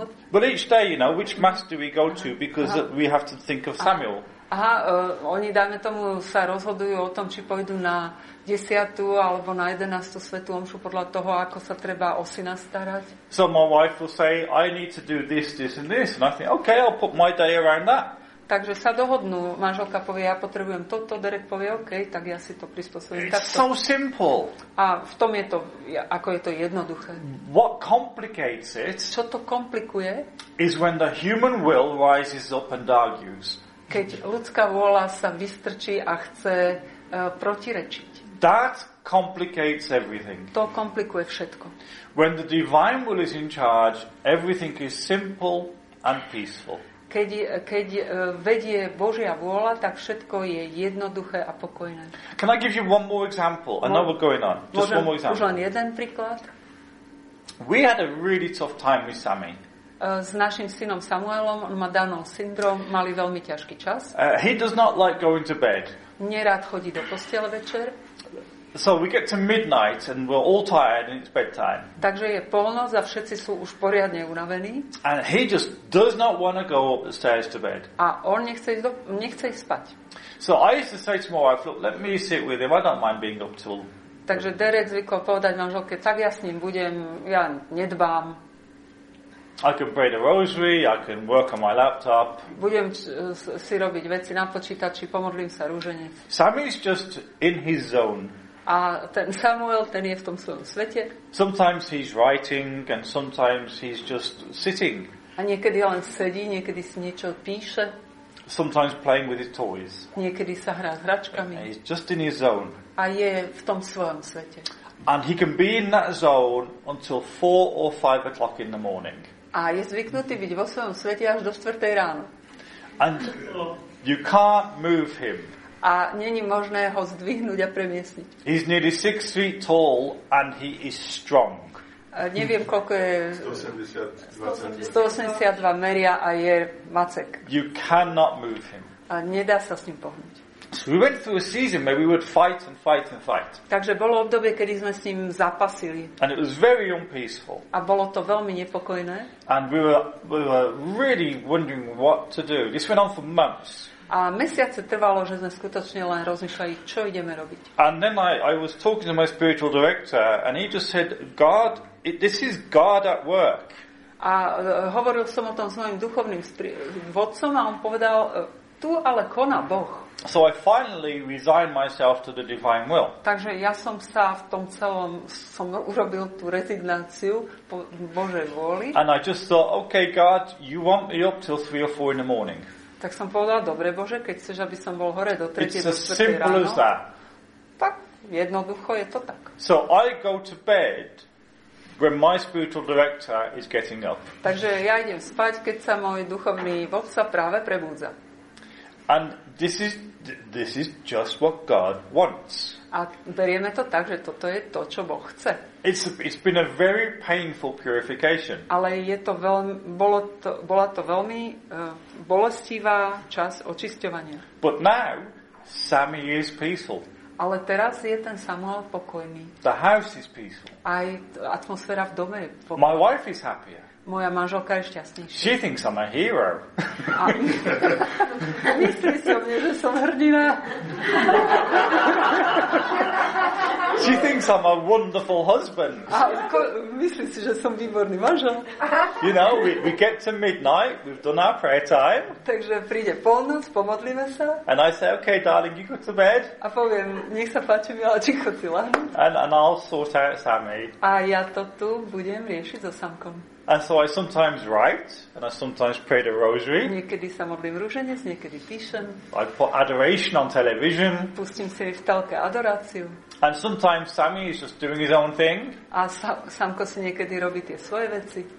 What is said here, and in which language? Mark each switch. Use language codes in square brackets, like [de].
[en] But each day, you know, which mass do we go to because we have to think of Samuel. [sk] Aha, oni dáme tomu sa rozhodujú o tom, či pôjdu na 10. alebo na 11. svetú omšu podľa toho, ako sa treba o syna starať. [en] So my wife will say, I need to do this, this and this. And I think, okay, I'll put my day around that. [sk] Takže sa dohodnú. Manželka povie, ja potrebujem toto. Derek povie, okay, tak ja si to prispôsobím. [en] It's so simple. [sk] A v tom je to, ako je to jednoduché. [en] What complicates it, [sk] čo to komplikuje, [en] is when the human will rises up and argues. [sk] Keď ľudská vôľa sa vystrčí a chce protirečiť. [en] That complicates everything. [sk] To komplikuje všetko. [en] When the divine will is in charge, everything is simple and peaceful. [sk] Keď vedie Božia vôľa, tak všetko je jednoduché a pokojné. [en] Can I give you one more example? I know we're going on. Just one more example. [sk] Už len jeden príklad. [en] We had a really tough time with Sammy. [sk] S našim synom Samuelom, on má Downov syndrom, mali veľmi ťažký čas. [en] He does not like going to bed. [sk] Nerád chodí do postele večer. [en] So we get to midnight and we're all tired and it's bedtime. [sk] Takže je polnoc a všetci sú už poriadne unavení. [en] And he just does not want to go up the stairs to bed. [sk] A on nechce ísť spať. [en] So I used to say to my wife, look, let me sit with him, I don't mind being up till... [sk] Takže Derek zvykol povedať manželke, tak ja s ním budem, ja nedbám. [en] I can pray the rosary, I can work on my laptop. [sk] Budem si robiť veci na počítači, pomodlím sa rúženec. [en] Sammy's just in his zone. [sk] A ten Samuel, ten je v tom svojom svete. [en] Sometimes he's writing and sometimes he's just sitting. [sk] A niekedy len sedí, niekedy si niečo píše. [en] Sometimes playing with his toys. [sk] Niekedy sa hrá s hračkami. [en] He's just in his zone. [sk] A je v tom svojom svete. [en] And he can be in that zone until 4 or 5 o'clock in the morning. [sk] A je zvyknutý byť vo svojom svete až do 4. ráno. [en] And you can't move him. [sk] a není možné ho zdvihnúť a premiesniť. [en] He's nearly 6 feet tall and he is strong. [sk] Neviem, koľko je... 182 meria a je macek. [en] You cannot move him. [sk] A nedá sa s ním pohnúť. [en] So we went through a season where we would fight and fight and fight. [sk] Takže bolo obdobie, kedy sme s ním zapasili. [en] And it was very unpeaceful. [sk] A bolo to veľmi nepokojné. [en] And we were really wondering what to do. This went on for months. [sk] A mesiace trvalo, že sme skutočne len rozmýšľali, čo ideme robiť. [en] And then I was talking to my spiritual director and he just said, God, this is God at work. [sk] A hovoril som o tom s mojim duchovným vodcom a on povedal, tu ale koná Boh. [en] So I finally resigned myself to the divine will. [sk] Takže ja som sa v tom celom som urobil tú rezignáciu po Božej vôli. [en] And I just thought, okay, God, you want me up till 3 or 4 in the morning. [sk] Tak som povedal, dobre Bože, keď chceš, aby som bol hore do 3. [en] It's as simple as that. [sk] Tak jednoducho je to tak. [en] So I go to bed when my spiritual director is getting up. [sk] Takže ja idem spať, keď sa môj duchovný vodca práve prebudza. [en] And this is just what God wants. [sk] A berieme to tak, že toto je to, čo Boh chce. [en] It's been a very painful purification. [sk] Ale je to veľmi bolestivá časť očisťovania. [en] But now Sammy is peaceful. [sk] Ale teraz je ten Samuel pokojný. [en] The house is peaceful. [sk] Aj atmosféra v dome je pokojná. [en] My wife is happier. [sk] Moja manželka je šťastnejšia. [en] She thinks I'm a hero. [sk] Myslí si o mne, že som hrdina. [en] She thinks I'm a wonderful husband. [sk] Myslí si, že som výborný manžel. [en] You know, we get to midnight, we've done our prayer time. [sk] Takže príde polnoc, pomodlíme sa. [en] And I say, okay, darling, you go to bed. [sk] A poviem, nech sa páči, miláčiku, ty lahnu. [en] And I'll sort out Sammy. [sk] A ja to tu budem riešiť so Samkom. [en] And so I sometimes write, and I sometimes pray the rosary. [sk] Niekedy sa modlím ruženec, niekedy píšem. [en] I put adoration on television. [sk] Pustím si v telke adoráciu. [en] And sometimes Sammy is just doing his own thing. [sk] A Samko si niekedy robí tie svoje veci.